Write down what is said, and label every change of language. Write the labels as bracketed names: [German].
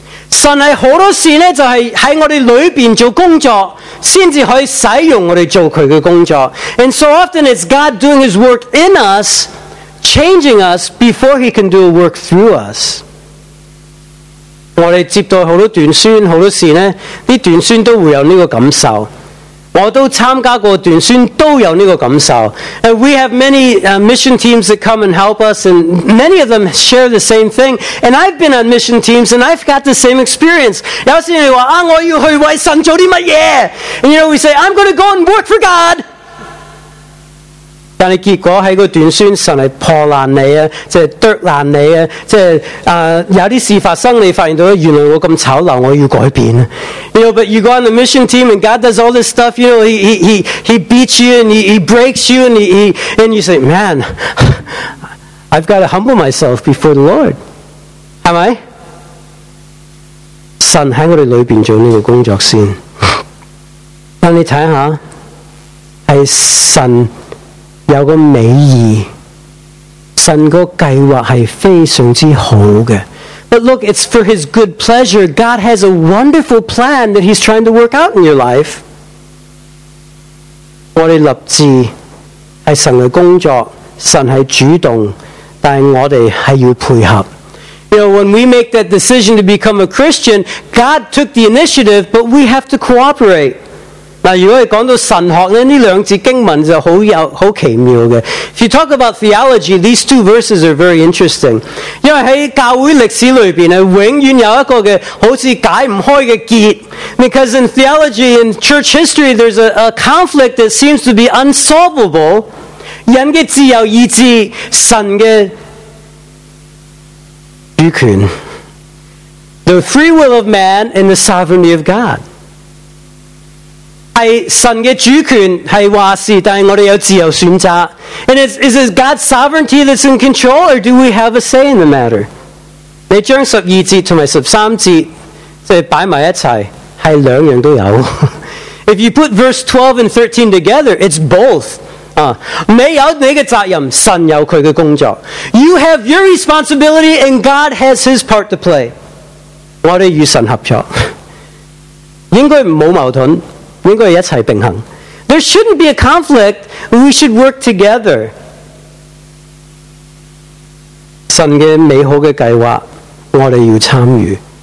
[Chinese] 神是很多事呢，就是在我们里面做工作，先至可以使用我们做祂的工作。 [English] And so often it's God doing his work in us, changing us, before he can do a work through us. [Chinese] 我们接到很多短宣，很多事呢，这短宣都会有这个感受。我都参加过短宣，都有这个感受。 [English] And we have many mission teams that come and help us, and many of them share the same thing. And I've been on mission teams, and I've got the same experience. [Chinese] 有时你说，我要去为神做什么事？ [English] And you know, we say, I'm going to go and work for God. [Chinese] 但是结果在短宣，神是破烂你，就是剁烂你，就是有些事发生，你发现到原来我这么丑陋，我要改变。 [English] You know, but you go on the mission team and God does all this stuff, you know, he beats you and he breaks you and he and you say, man, I've got to humble myself before the Lord. Am I? [Chinese] 神在我们里面做这个工作先。但你看看，是神有个美意，神的计划是非常之好的。 [English] But look, it's for his good pleasure. God has a wonderful plan that he's trying to work out in your life. [Chinese] 我们立志是神的工作，神是主动，但我们是要配合。 [English] You know, when we make that decision to become a Christian, God took the initiative, but we have to cooperate. [Chinese] 如果你讲到神学呢，这两节经文就很奇妙的。 [English] If you talk about theology, these two verses are very interesting. [Chinese] 因为在教会历史里面，永远有一个的好像解不开的结。 [English] Because in theology, in church history, there's a conflict that seems to be unsolvable. [Chinese] 人的自由意志，神的主权。 [English] The free will of man and the sovereignty of God. [Chinese] 是神的主权是话事，但是我们有自由选择。 [English] And is it God's sovereignty that's in control, or do we have a say in the matter? [Chinese] 你将十二节和十三节摆在一起，是两样都有。 [English] If you put verse 12 and 13 together, it's both. [Chinese] 你有你的责任，神有他的工作。 [English] You have your responsibility, and God has his part to play. [Chinese] 我们与神合作，应该没有矛盾。应该一起并行。 [English] There shouldn't be a conflict. We should work together. [Chinese] 神的美好的计划，我们要参与。